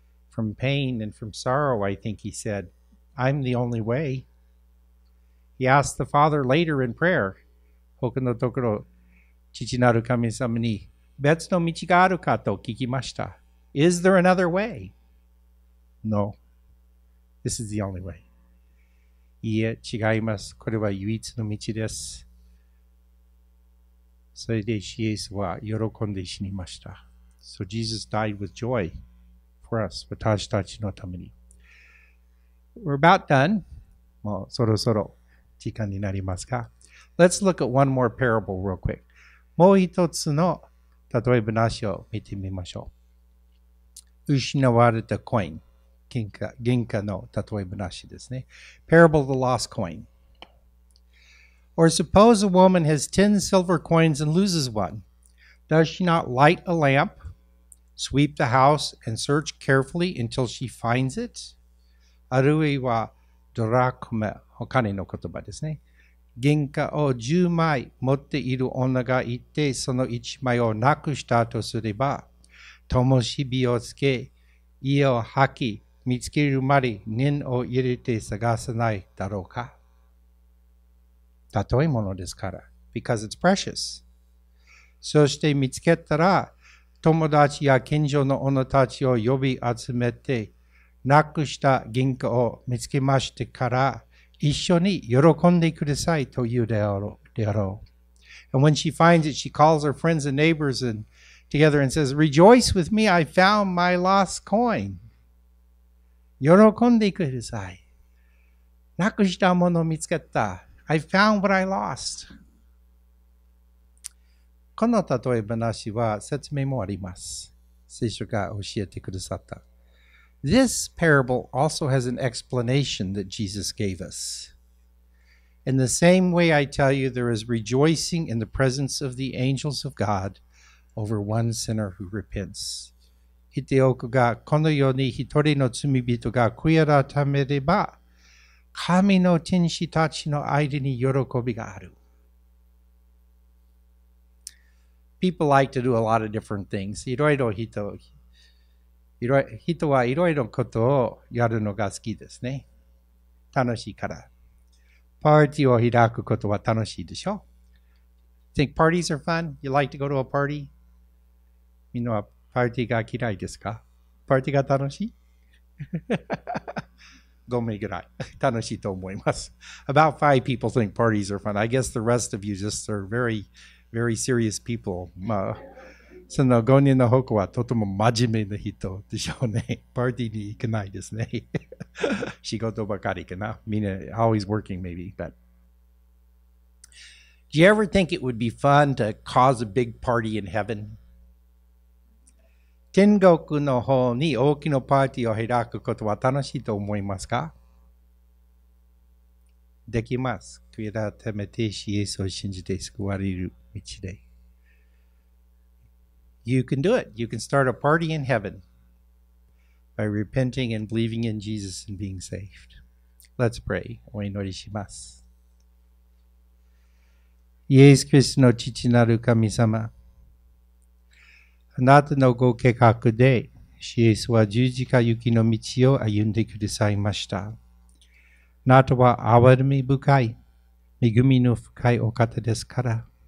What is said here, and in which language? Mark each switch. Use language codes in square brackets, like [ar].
[en] From pain and from sorrow, I think he said, I'm the only way. He asked the Father later in prayer, [ja] 他のところ、父なる神様に別の道があるかと聞きました。 [en] Is there another way? No. This is the only way. [ja] いえ、違います。これは唯一の道です。それでイエスは喜んで死にました。 [en] So Jesus died with joy for us, [ja] 私たちのために。 [en] We're about done. [ja] もうそろそろ時間になりますか。 [en] Let's look at one more parable real quick. [ja] もう一つの例え話を見てみましょう。失われたコイン。銀貨の例え話ですね。 [en] Parable of the lost coin. Or suppose a woman has 10 silver coins and loses one. Does she not light a lamp, sweep the house, and search carefully until she finds it? [ja] あるいはドラクマ、お金の言葉ですね。銀貨を10枚持っている女がいて、その1枚をなくしたとすれば、灯火をつけ、家を吐き、見つけるまで念を入れて探さないだろうか。たとえものですから。 [en] Because it's precious. [ja] そして見つけたら、友達や近所の女たちを呼び集めて、なくした銀貨を見つけましてから、一緒に喜んでくださいと言うであろう。 [en] And when she finds it, she calls her friends and neighbors and together and says, Rejoice with me, I found my lost coin. [ja] 喜んでください。なくしたものを見つけた。 [en] I found what I lost. [ja] この例え話は説明もあります。聖書が教えてくださった。 [en] This parable also has an explanation that Jesus gave us. In the same way I tell you, there is rejoicing in the presence of the angels of God over one sinner who repents. [ja] 言っておくが、このように一人の罪人が悔い改めれば、神の天使たちの間に喜びがある。 [en] people like to do a lot of different things. [ja] いろいろ人はいろいろことをやるのが好きですね。楽しいから。パーティーを開くことは楽しいでしょ? [en] Think parties are fun? You like to go to a party? [ja] みんなはパーティーが嫌いですか? パーティーが楽しい? ごめんぐらい。楽しいと思います。 [en] About five people think parties are fun. I guess the rest of you just are very, very serious people. [ja] まあ、その5人の方はとても真面目な人でしょうね。パーティーに行けないですね。仕事ばかりかな。みんな、 [en] always working maybe, but... Do you ever think it would be fun to cause a big party in heaven? [ja] 天国の方に大きなパーティーを開くことは楽しいと思いますか? できます。悔やためてイエスを信じて救われる道で。 [en] You can do it. You can start a party in heaven by repenting and believing in Jesus and being saved. Let's pray. [ja] お祈りします。イエス・キリストの父なる神様、あなたのご計画で、主イエスは十字架行きの道を歩んでくださいました。あなたは憐み深い、恵みの深いお方ですから。